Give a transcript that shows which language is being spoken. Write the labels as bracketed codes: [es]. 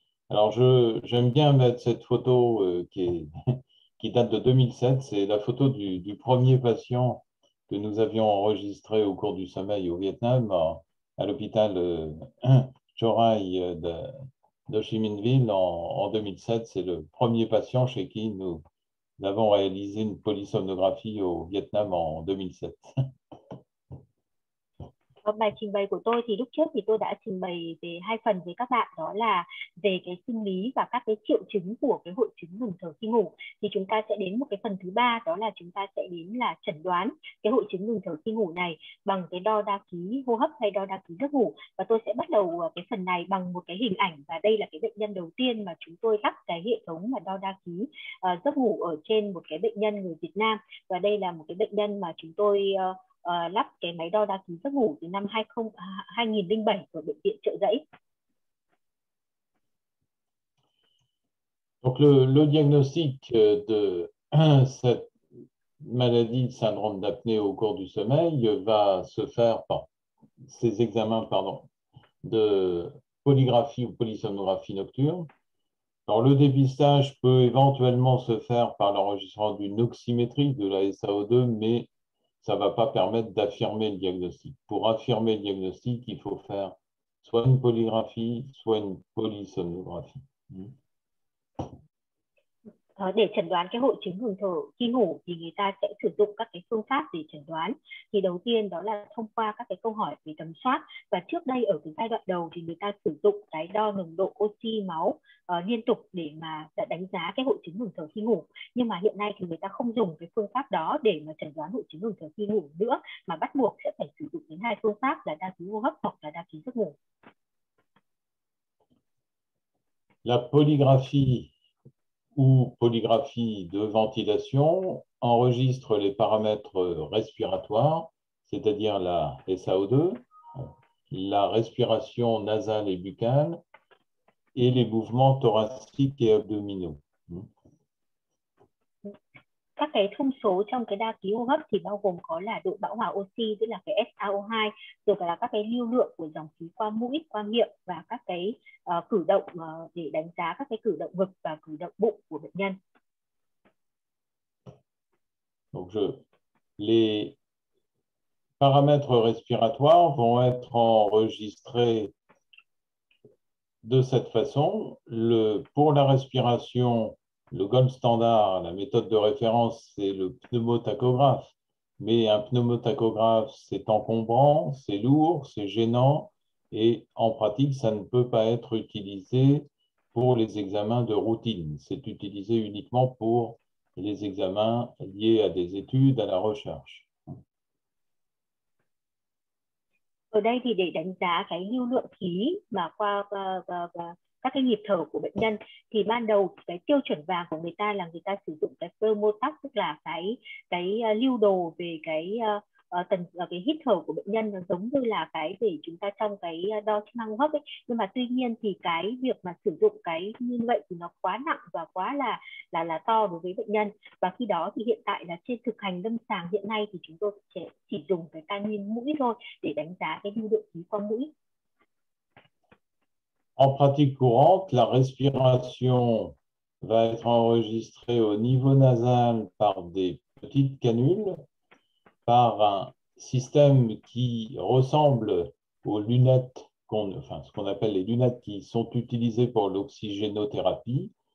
[fr] Alors, j'aime bien mettre cette photo qui date de 2007, c'est la photo du premier patient que nous avions enregistré au cours du sommeil au Vietnam, à l'hôpital Chorai de Chiminville en 2007. C'est le premier patient chez qui nous avons réalisé une polysomnographie au Vietnam en 2007. [vi] Bài trình bày của tôi thì lúc trước thì tôi đã trình bày về hai phần với các bạn, đó là về cái sinh lý và các cái triệu chứng của cái hội chứng ngừng thở khi ngủ. Thì chúng ta sẽ đến một cái phần thứ ba, đó là chúng ta sẽ đến là chẩn đoán cái hội chứng ngừng thở khi ngủ này bằng cái đo đa ký hô hấp hay đo đa ký giấc ngủ. Và tôi sẽ bắt đầu cái phần này bằng một cái hình ảnh, và đây là cái bệnh nhân đầu tiên mà chúng tôi lắp cái hệ thống mà đo đa ký giấc ngủ ở trên một cái bệnh nhân người Việt Nam. Và đây là một cái bệnh nhân mà chúng tôi lắp cái máy đo đa ký giấc ngủ từ năm 2007 ở bệnh viện Chợ Rẫy. [fr] Donc le diagnostic de cette maladie de syndrome d'apnée au cours du sommeil va se faire par ces examens de polygraphie ou polysomnographie nocturne. Alors, le dépistage peut éventuellement se faire par l'enregistrement d'une oxymétrie de la SAO2, mais ça ne va pas permettre d'affirmer le diagnostic. Pour affirmer le diagnostic, il faut faire soit une polygraphie, soit une polysomnographie. [vi] Để chẩn đoán cái hội chứng ngừng thở khi ngủ thì người ta sẽ sử dụng các cái phương pháp để chẩn đoán. Thì đầu tiên đó là thông qua các cái câu hỏi về tầm soát. Và trước đây ở cái giai đoạn đầu thì người ta sử dụng cái đo nồng độ oxy máu liên tục để mà đánh giá cái hội chứng ngừng thở khi ngủ. Nhưng mà hiện nay thì người ta không dùng cái phương pháp đó để mà chẩn đoán hội chứng ngừng thở khi ngủ nữa, mà bắt buộc sẽ phải sử dụng đến hai phương pháp là đa ký hô hấp hoặc là đa ký giấc ngủ. [fr] La polygraphie ou polygraphie de ventilation enregistre les paramètres respiratoires, c'est-à-dire la SAO2, la respiration nasale et buccale et les mouvements thoraciques et abdominaux. [vi] Các cái thông số trong cái đa ký hô hấp thì bao gồm có là độ bão hòa oxy, tức là cái SAO2, rồi cả là các cái lưu lượng của dòng khí qua mũi, qua miệng và các cái cử động để đánh giá các cái cử động ngực và cử động bụng của bệnh nhân. [fr] Donc je... Les paramètres respiratoires vont être enregistrés de cette façon. Le... Pour la respiration, le gold standard, la méthode de référence, c'est le pneumotachographe. Mais un pneumotachographe, c'est encombrant, c'est lourd, c'est gênant. Et en pratique, ça ne peut pas être utilisé pour les examens de routine. C'est utilisé uniquement pour les examens liés à des études, à la recherche. [vi] Ở đây thì để đánh giá cái lưu lượng khí mà qua các cái nhịp thở của bệnh nhân thì ban đầu cái tiêu chuẩn vàng của người ta là người ta sử dụng cái pneumotach, tức là cái lưu đồ về cái tần cái hít thở của bệnh nhân, giống như là cái để chúng ta trong cái đo chức năng hô hấp ấy. Nhưng mà tuy nhiên thì cái việc mà sử dụng cái như vậy thì nó quá nặng và quá là to đối với bệnh nhân. Và khi đó thì hiện tại là trên thực hành lâm sàng hiện nay thì chúng tôi sẽ chỉ dùng cái canin mũi thôi để đánh giá cái lưu lượng khí qua mũi. [fr] En pratique courante, la respiration va être enregistrée au niveau nasal par des petites canules, par un système qui ressemble aux lunettes, ce qu'on appelle les lunettes qui sont utilisées pour l'oxygénothérapie.